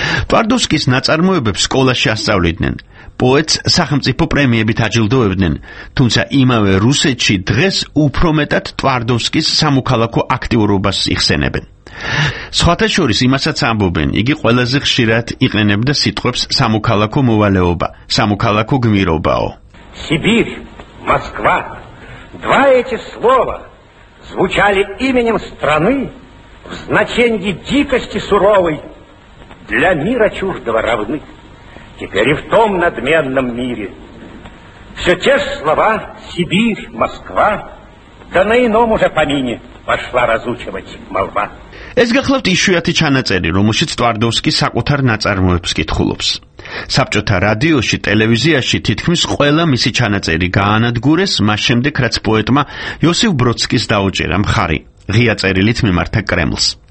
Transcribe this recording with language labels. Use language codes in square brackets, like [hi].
[ka] ტვარდოვსკის ნაწარმოებებს სკოლაში ასწავლიდნენ, პოეტს სახელმწიფო პრემიებით აჯილდოებდნენ, თუმცა იმავე რუსეთში დღეს უფრო მეტად ტვარდოვსკის სამოქალაქო აქტიურობას იხსენებენ. სხვათა შორის იმასაც ამბობენ, იგი ყველაზე ხშირად იყენებდა სიტყვებს სამოქალაქო მოვალეობა, სამოქალაქო გმირობაო. [ru] Сибирь, Москва. Два эти слова звучали именем страны в значении дикости суровой для мира чуждого равны. Теперь и в том надменном мире все те же слова «Сибирь», «Москва» да на ином уже помине пошла разучивать молва. [ka] Ეს გახლავთ იშვიათი ჩანაწერი, რომელშიც ტვარდოვსკი საკუთარ ნაწარმოებს კითხულობს. საბჭოთა რადიოში, ტელევიზიაში თითქმის ყველა მისი ჩანაწერი გაანადგურეს მას შემდეგ, რაც პოეტმა იოსებ ბროცკის დაუჭირა მხარი ღია წერილით მიმართა კრემლს.